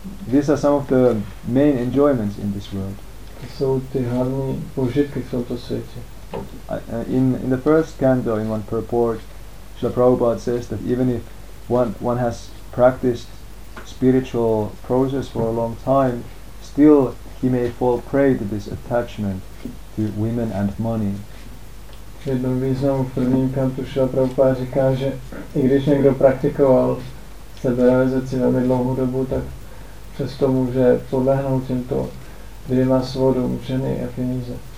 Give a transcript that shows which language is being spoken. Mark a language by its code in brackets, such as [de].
[en] These are some of the main enjoyments in this world. [cs] To jsou ty hlavní požitky v tomto světě. [en] In the first canto, in one purport, Srila Prabhupada says that even if one has practiced spiritual process for a long time, still he may fall prey to this attachment to women and money. [cs] V jednom významu v prvním kantu Šila Prabhupáda říká, že i když někdo praktikoval seberealizaci velmi dlouhou dobu, tak přesto může podlehnout těmto dvěma svodům, ženy a peníze.